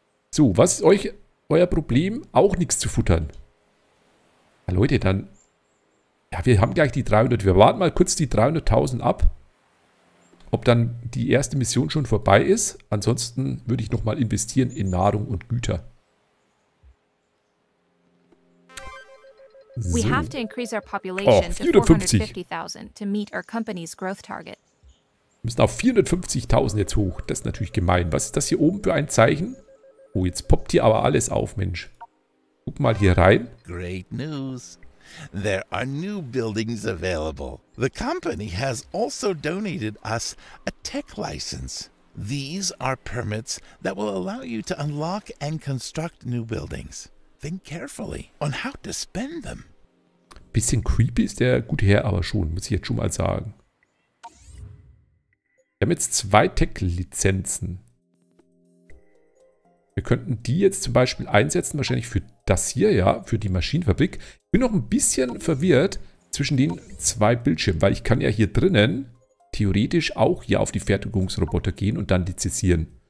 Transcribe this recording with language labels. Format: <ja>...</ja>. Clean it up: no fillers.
<de>So, was ist euer Problem? Auch nichts zu futtern. Ja, Leute, dann... Ja, wir haben gleich die 300. Wir warten mal kurz die 300.000 ab. Ob dann die erste Mission schon vorbei ist. Ansonsten würde ich nochmal investieren in Nahrung und Güter.</de> <en>So. We have to increase our population to 450,000 to meet our company's growth target.</en> <de>Wir müssen auf 450.000 jetzt hoch. Das ist natürlich gemein. Was ist das hier oben für ein Zeichen? Oh, jetzt poppt hier aber alles auf, Mensch. Guck mal hier rein.</de> <en>Great news. There are new buildings available. The company has also donated us a tech license. These are permits that will allow you to unlock and construct new buildings. Think carefully on how to spend them.</en> <de>Bisschen creepy ist der gute Herr aber schon, muss ich jetzt schon mal sagen. Wir haben jetzt zwei Tech-Lizenzen. Wir könnten die jetzt zum Beispiel einsetzen, wahrscheinlich für das hier, ja, für die Maschinenfabrik. Ich bin noch ein bisschen verwirrt zwischen den zwei Bildschirmen, weil ich kann ja hier drinnen theoretisch auch hier auf die Fertigungsroboter gehen und dann lizenzieren.</de>